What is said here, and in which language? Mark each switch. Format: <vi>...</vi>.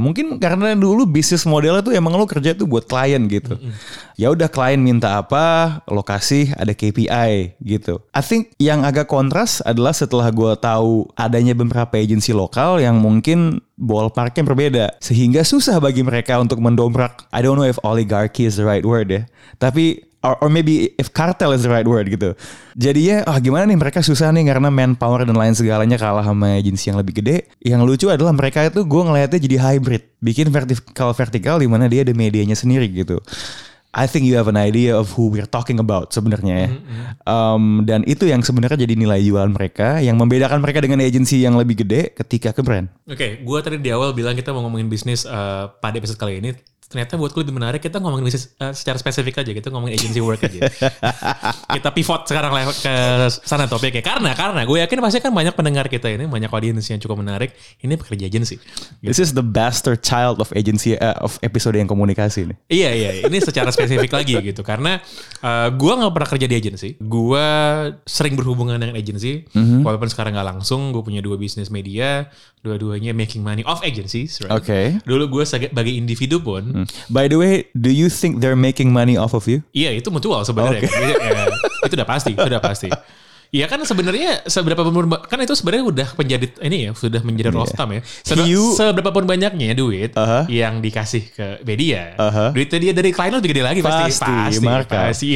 <id>Mungkin karena dulu bisnis modelnya tuh emang lo kerja tuh buat klien gitu. Ya udah, klien minta apa, lo kasih, ada KPI gitu.</id> <en>I think</en> <id>yang agak kontras adalah setelah gue tahu adanya beberapa agency lokal yang mungkin ballparknya berbeda, sehingga susah bagi mereka untuk mendobrak.</id> <en>I don't know if oligarchy is the right word ya.</en> <id>Tapi,</id> <en>or maybe if cartel is the right word</en> <id>gitu. Jadinya, oh gimana nih, mereka susah nih karena manpower dan lain segalanya kalah sama agensi yang lebih gede. Yang lucu adalah mereka itu gue ngelihatnya jadi hybrid. Bikin vertikal-vertikal di mana dia ada medianya sendiri gitu.</id> <en>I think you have an idea of who we're talking about</en> <id>sebenarnya ya. Dan itu yang sebenarnya jadi nilai jualan mereka, yang membedakan mereka dengan agensi yang lebih gede ketika ke brand. Oke, gue tadi di awal bilang kita mau ngomongin bisnis pada episode kali ini. Ternyata buat gue lebih menarik, kita ngomongin bisnis secara spesifik aja, kita ngomongin agency work aja. Kita pivot sekarang ke sana topiknya. Karena gue yakin pasti kan banyak pendengar kita ini, banyak audiens yang cukup menarik, ini pekerja agency.</id> <en>Gitu. This is the bastard child of agency, of episode</en> <id>yang komunikasi ini. Iya, ini secara spesifik lagi gitu. Karena gue gak pernah kerja di agency, gue sering berhubungan dengan agency, walaupun sekarang gak langsung, gue punya dua bisnis media, dua-duanya</id> <en>making money off agencies, right? Okay.</en> <id>Dulu gue sebagai individu pun.</id> <en>By the way, do you think they're making money off of you?</en> <id>Iya, itu mutual sebenarnya. Okay. Kan? Itu udah pasti, sudah pasti. Iya kan sebenarnya seberapa pun, kan itu sebenarnya udah menjadi ini ya, sudah menjadi rostam ya. Seberapa pun banyaknya duit yang dikasih ke media, duitnya dia dari klien lebih gede lagi pasti. Pasti.</id>